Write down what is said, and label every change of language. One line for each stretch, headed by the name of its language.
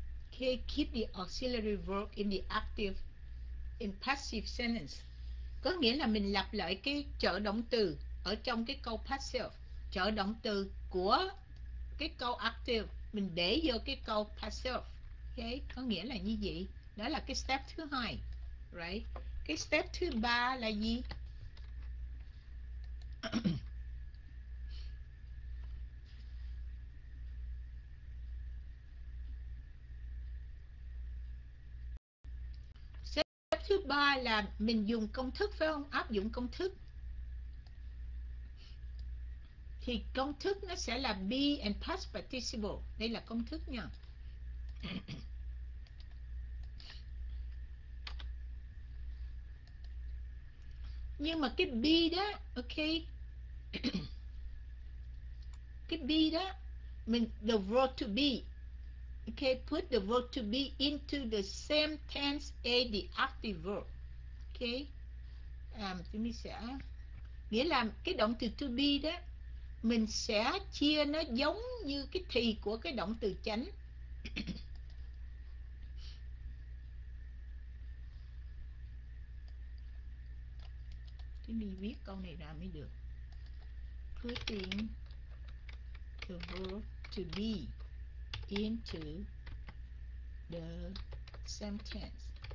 English: Okay, keep the auxiliary verb in the active in passive sentence.
Vietnamese: Có nghĩa là mình lặp lại cái trợ động từ ở trong cái câu passive, trợ động từ của cái câu active mình để vô cái câu passive. Okay, có nghĩa là như vậy. Đó là cái step thứ hai. Right. Cái step thứ ba là gì? Thứ ba là mình dùng công thức phải không? Áp dụng công thức. Thì công thức nó sẽ là be and past participle. Đây là công thức nha. Nhưng mà cái be đó, ok. Cái be đó, mình the verb to be
English: Okay, put the verb to be into the same tense as the active verb.
Vietnamese: Okay, mình sẽ nghĩa là cái động từ to be đó, mình sẽ chia nó giống như cái thì của cái động từ chánh. Mình viết câu này ra mới được.
English: Putting the verb to be into the same tense.